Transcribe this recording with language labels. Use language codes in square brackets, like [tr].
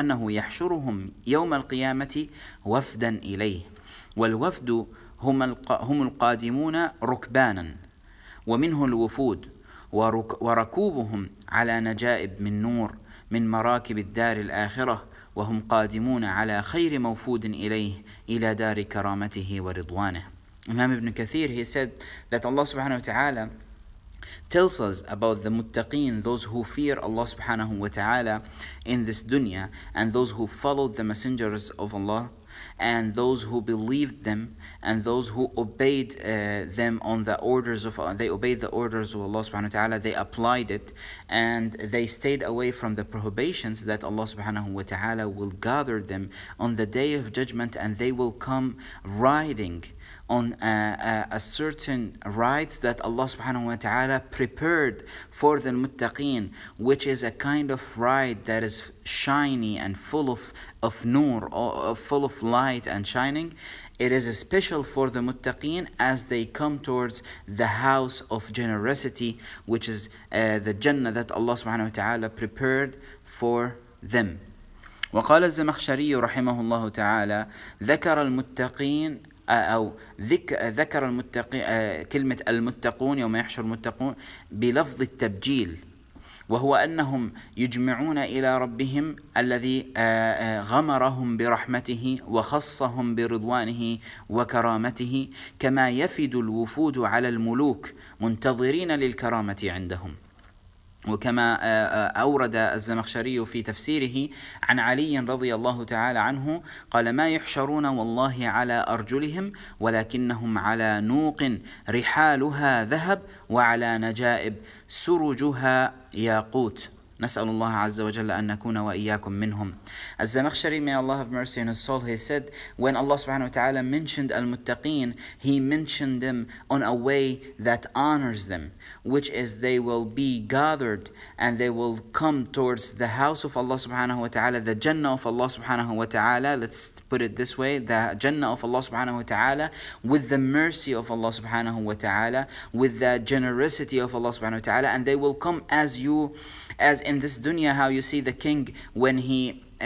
[ar] يحشرهم يوم القيامة وفدا إليه، والوفد هم القادمون ركبانا، ومنه الوفود، وركوبهم على نجائب من نور من مراكب الدار الآخرة، وهم قادمون على خير موفود إليه إلى دار كرامته ورضوانه. [en] Imam Ibn Kathir, he said that Allah subhanahu wa ta'ala tells us about the muttaqeen, those who fear Allah subhanahu wa ta'ala in this dunya, and those who followed the messengers of Allah and those who believed them, and those who obeyed them on the orders of they obeyed the orders of Allah subhanahu wa ta'ala, they applied it, and they stayed away from the prohibitions that Allah subhanahu wa ta'ala will gather them on the day of judgment, and they will come riding on a certain rides that Allah subhanahu wa ta'ala prepared for the muttaqeen, which is a kind of ride that is shiny and full of nur, or full of light and shining. It is special for the muttaqeen as they come towards the house of generosity, which is the Jannah that Allah subhanahu wa ta'ala prepared for them. [ar] وقال الزمخشري رحمه الله تعالى ذكر المتقين أو ذكر المتقين كلمة المتقون يوم يحشر المتقون بلفظ التبجيل، وهو أنهم يجمعون إلى ربهم الذي غمرهم برحمته وخصهم برضوانه وكرامته، كما يفد الوفود على الملوك منتظرين للكرامة عندهم. وكما أورد الزمخشري في تفسيره عن علي رضي الله تعالى عنه قال ما يحشرون والله على أرجلهم ولكنهم على نوق رحالها ذهب وعلى نجائب سرجها ياقوت. نسأل الله عز وجل أن نكون وإياكم منهم. [en] الزمخشري, may Allah have mercy on his soul, he said, when Allah subhanahu wa ta'ala mentioned al-muttaqeen, he mentioned them on a way that honors them, which is they will be gathered and they will come towards the house of Allah subhanahu wa ta'ala, the Jannah of Allah subhanahu wa ta'ala, let's put it this way, the Jannah of Allah subhanahu wa ta'ala, with the mercy of Allah subhanahu wa ta'ala, with the generosity of Allah subhanahu wa ta'ala, and they will come as you, as in this dunya, how you see the king when he